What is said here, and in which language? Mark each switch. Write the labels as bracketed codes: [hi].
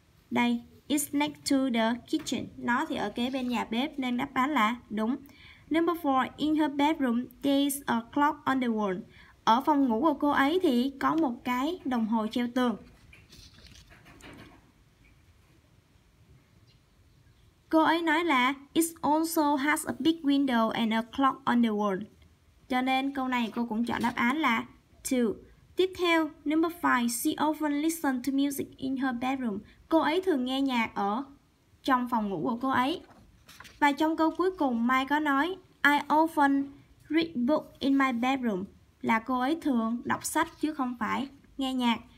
[vi] Đây, [en] it's next to the kitchen, [vi] nó thì ở kế bên nhà bếp nên đáp án là đúng. [en] Number 4, in her bedroom there is a clock on the wall, [vi] ở phòng ngủ của cô ấy thì có một cái đồng hồ treo tường. Cô ấy nói là [en] it also has a big window and a clock on the wall. [vi] Cho nên câu này cô cũng chọn đáp án là 2. Tiếp theo, number 5, [en] she often listens to music in her bedroom. [vi] Cô ấy thường nghe nhạc ở trong phòng ngủ của cô ấy. Và trong câu cuối cùng, Mai có nói [en] I often read book in my bedroom, [vi] là cô ấy thường đọc sách chứ không phải nghe nhạc.